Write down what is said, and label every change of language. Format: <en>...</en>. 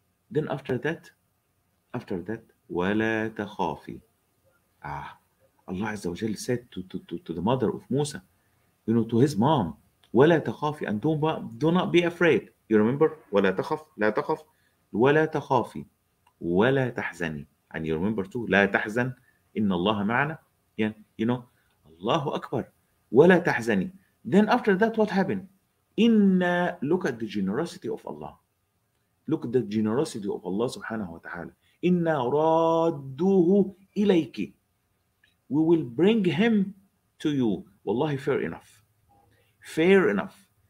<en>Then after that,</en> <ar>وَلَا تَخَافِ.</ar> <en>Ah, Allah Azza wa Jal said to the mother of Musa, you know, to his mom,</en> <ar>وَلَا تَخَافِ,</ar> <en>and do not be afraid. You remember?</en> <ar>وَلَا تَخَافْ, لَا تَخَافْ. وَلَا تَخَافِ, وَلَا تَحْزَنِ.</ar> <en>And you remember too,</en> <ar>لَا تَحْزَنْ, إِنَّ اللَّهَ مَعَنَا.</ar> <en>Yeah, you know, Allahu Akbar,</en> <ar>وَلَا تَحْزَنِ.</ar> <en>Then after that, what happened? إِنَّا, look at the generosity of Allah. Look at the generosity of Allah subhanahu wa ta'ala.</en> <ar>إِنَّا رَادُّهُ إِلَيْكِ.</ar> <en>We will bring him to you. Wallahi, fair enough. Fair enough.</en>